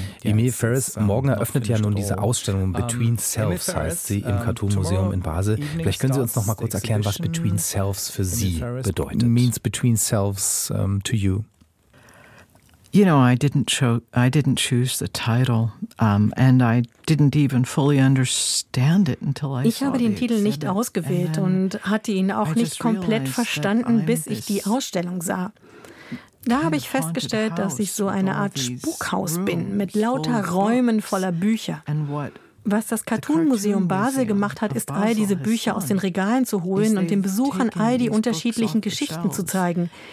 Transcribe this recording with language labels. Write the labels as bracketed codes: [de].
[de] Emile Ferris, morgen eröffnet ja nun diese Ausstellung Between Selves, heißt sie, im Cartoon Museum in Basel. Vielleicht können Sie uns noch mal kurz erklären, was Between Selves für Sie bedeutet. [en] Means Between Selves to you. You know, I didn't choose the title, and I didn't even fully understand it until I [de] Ich habe den Titel nicht ausgewählt und hatte ihn auch nicht komplett verstanden, bis ich die Ausstellung sah. Da habe ich festgestellt, dass ich so eine Art Spukhaus bin, mit lauter Räumen voller Bücher. Was das Cartoon-Museum Basel gemacht hat, ist, all diese Bücher aus den Regalen zu holen und den Besuchern all die unterschiedlichen Geschichten zu zeigen.